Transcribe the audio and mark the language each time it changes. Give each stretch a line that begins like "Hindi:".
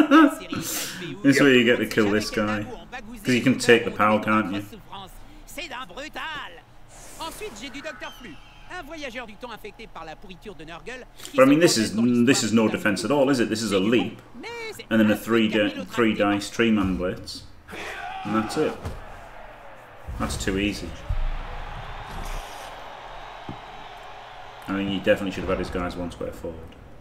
English: This is where you get to kill this guy. Because you can take the power, can't you?
French: C'est d'un brutal. Ensuite, j'ai du Dr. Flu, un voyageur du temps infecté par la pourriture de Nurgle.
English: But I mean, this is no defense at all, is it? This is a leap. And then a three dice, three man blitz. And that's it. That's too easy. I mean, he definitely should have had his guys one square forward.